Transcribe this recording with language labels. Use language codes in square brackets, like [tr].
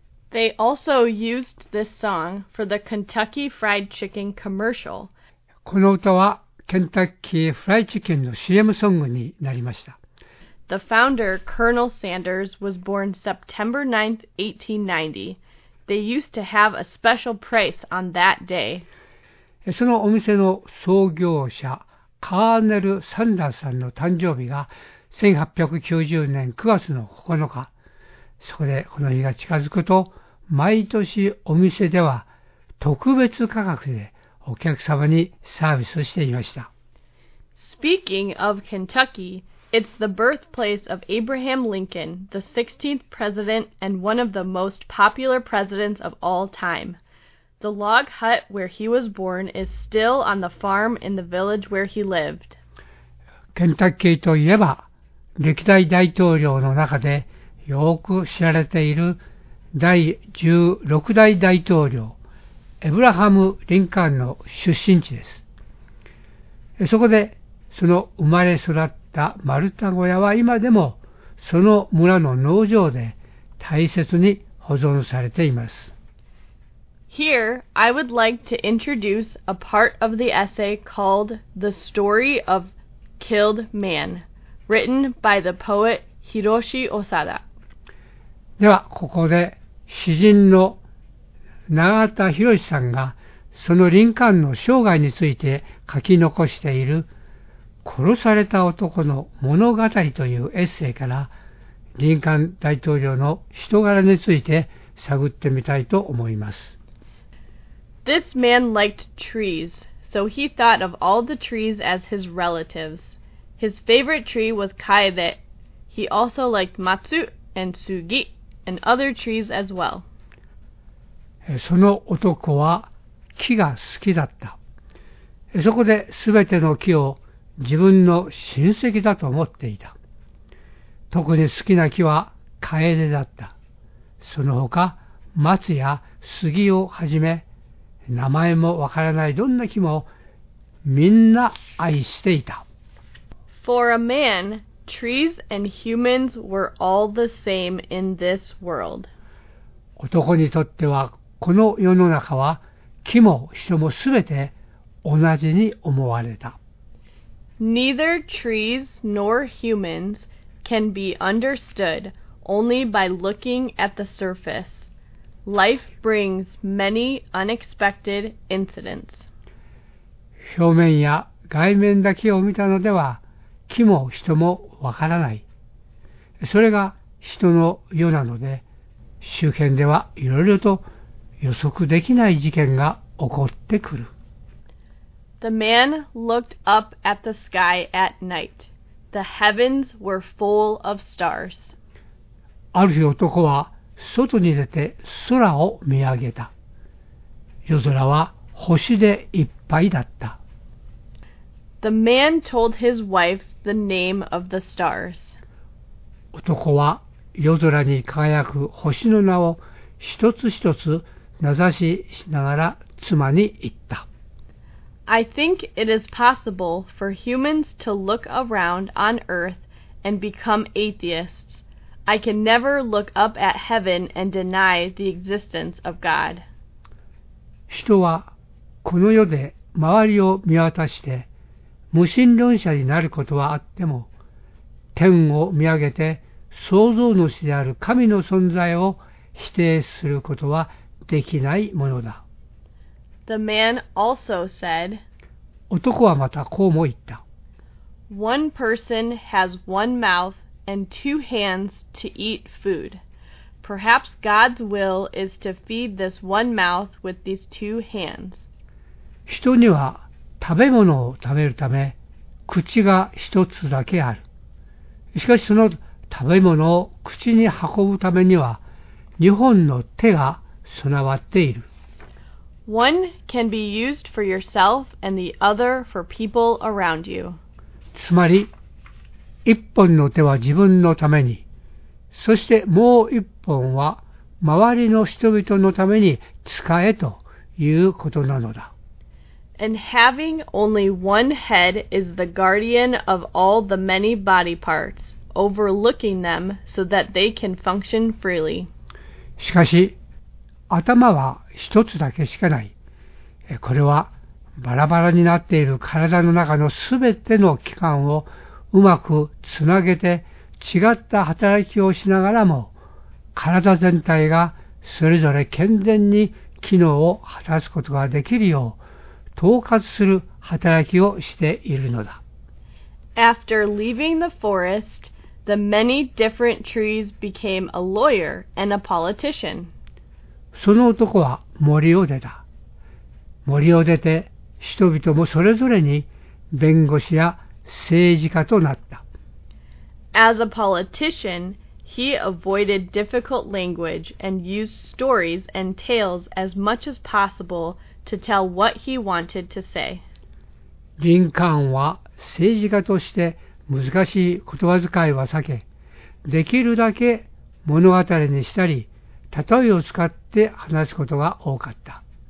[en] They also used this song for the Kentucky Fried Chicken commercial. [ja] この歌はケンタッキーフライチキンの CM ソングになりました。 [en] The founder, Colonel Sanders, was born September 9, 1890. They used to have a special price on that day. [ja] そのお店の創業者、カーネル・サンダーさんの誕生日が1890年9月の9日。そこでこの日が近づくと、毎年お店では特別価格でお客様にサービスしていました。 [en] Speaking of Kentucky, it's the birthplace of Abraham Lincoln, the 16th president and one of the most popular presidents of all time. The log hut where he was born is still on the farm in the village where he lived. [ja] ケンタッキーといえば、歴代大統領の中でよく知られている第16代大統領、エブラハム・リンカーンの出身地です。そこで、その生まれ育った丸太小屋は今でも、その村の農場で大切に保存されています。 [en] Here, I would like to introduce a part of the essay called The Story of Killed Man, written by the poet Hiroshi Osada. [ja] では、ここで詩人の永田博さんが、そのリンカーンの生涯について書き残している、殺された男の物語というエッセイから、リンカーン大統領の人柄について探ってみたいと思います。 [en] This man liked trees, so he thought of all the trees as his relatives. His favorite tree was kaede. He also liked matsu and sugi and other trees as well. [ja] その男は木が好きだった。そこで全ての木を自分の親戚だと思っていた。特に好きな木はカエデだった。その他、松や杉をはじめ、名前もわからないどんな木もみんな愛していた。 [en] For a man, trees and humans were all the same in this world. [ja] 男にとってはこの世の中は木も人もすべて同じに思われた。 [en] Neither trees nor humans can be understood only by looking at the surface. Life brings many unexpected incidents. [ja] 表面や外面だけを見たのでは木も人もわからない。それが人の世なので、周辺ではいろいろと予測できない事件が起こってくる。 [en] The man looked up at the sky at night. The heavens were full of stars. [ja] ある日男は外に出て空を見上げた。夜空は星でいっぱいだった。 [en] The man told his wife the name of the stars. [ja] 男は夜空に輝く星の名を一つ一つ名指ししながら妻に言った。 [en] I think it is possible for humans to look around on earth and become atheists. I can never look up at heaven and deny the existence of God. [ja] 人はこの世で周りを見渡して無神論者になることはあっても、天を見上げて創造主である神の存在を否定することはできないものだ。 [en] The man also said, [ja] 男はまたこうも言った。 [en] One person has one mouth and two hands to eat food. Perhaps God's will is to feed this one mouth with these two hands. [ja] 人には食べ物を食べるため口が一つだけある。しかしその食べ物を口に運ぶためには二本の手が備わっている。 [en] One can be used for yourself and the other for people around you. [ja] つまり、一本の手は自分のために、そしてもう一本は周りの人々のために使えということなのだ。 [en] And having only one head is the guardian of all the many body parts, overlooking them so that they can function freely. [ja] しかし、頭は一つだけしかない。これはバラバラになっている体の中のすべての器官をうまくつなげて違った働きをしながらも体全体がそれぞれ健全に機能を果たすことができるよう統括する働きをしているのだ。 [en] After leaving the forest, the many different trees became a lawyer and a politician. [ja] その男は森を出た。森を出て人々もそれぞれに弁護士や政治家となった。 [en] As a politician, he avoided difficult language and used stories and tales as much as possible to tell what he wanted to say. [ja] リンカーンは政治家として難しい言葉遣いは避け、できるだけ物語にしたり、例えを使って話すことが多かった。